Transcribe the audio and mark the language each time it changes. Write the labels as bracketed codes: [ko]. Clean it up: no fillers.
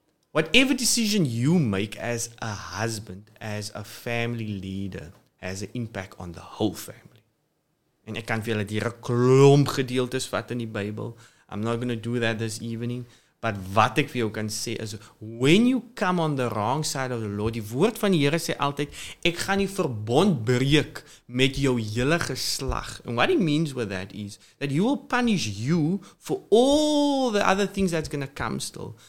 [en] Whatever decision you make as a husband, as a family leader, has an impact on the whole family. [af] En ek kan vir julle die klomp gedeeltes vat in die Bybel. [en] I'm not going to do that this evening. [af] But wat ek vir jou kan sê is, [en] when you come on the wrong side of the Lord, [af] die woord van die Here sê altyd, ek gaan die verbond breek met jou hele geslag. [en] And what he means with that is, that he will punish you for all the other things that's going to come still.